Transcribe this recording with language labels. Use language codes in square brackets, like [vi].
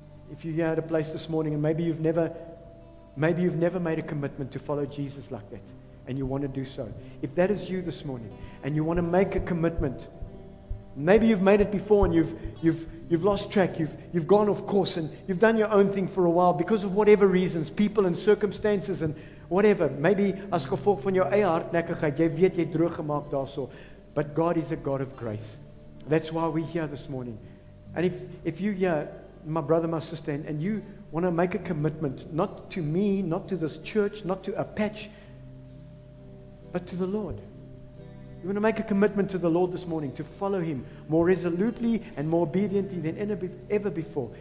[en] If you're here at a place this morning and maybe you've never made a commitment to follow Jesus like that, and you want to do so. If that is you this morning, and you want to make a commitment, maybe you've made it before and you've lost track, you've gone off course, and you've done your own thing for a while because of whatever reasons, people and circumstances and whatever. [af] Maybe as gevolg van jou eie hardnekkigheid, jy weet jy droog gemaak daarso. [en] But God is a God of grace. That's why we're here this morning. And if you here, my brother, my sister, and you want to make a commitment, not to me, not to this church, not to a patch, but to the Lord. You want to make a commitment to the Lord this morning to follow Him more resolutely and more obediently than ever before.